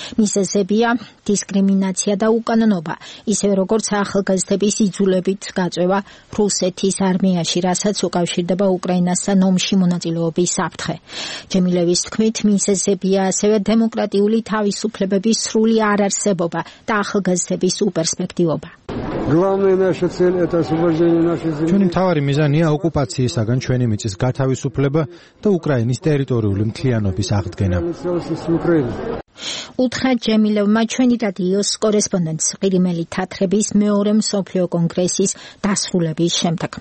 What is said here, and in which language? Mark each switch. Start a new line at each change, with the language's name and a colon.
Georgian: მიზეზებია დისკრიმინაცია და უკანონობა, ისევე როგორც ახალგაზრდების იძულებით გაწევა რუსეთის არმიაში, რასაც უკავშირდება უკრაინასთან ომში მონაწილეობის საფრთხე. ჯემილევის თქმით, მიზეზებია ასევე დემოკრატიული თავისუფლებების სრული არარსებობა და ახალგაზრდების უპერსპექტივობა.
Russian: Главная наша цель это освобождение нашей земли.
Georgian: Ჩვენი მთავარი მიზანია ოკუპაციისაგან ჩვენი მიწის გათავისუფლება და უკრაინის ტერიტორიული მთლიანობის აღდგენა. უთხრა ჯემილევმა ჩვენი რადიოს კორესპონდენტს ყირიმელი თათრების მეორე მსოფლიო კონგრესის დასრულების შემდეგ.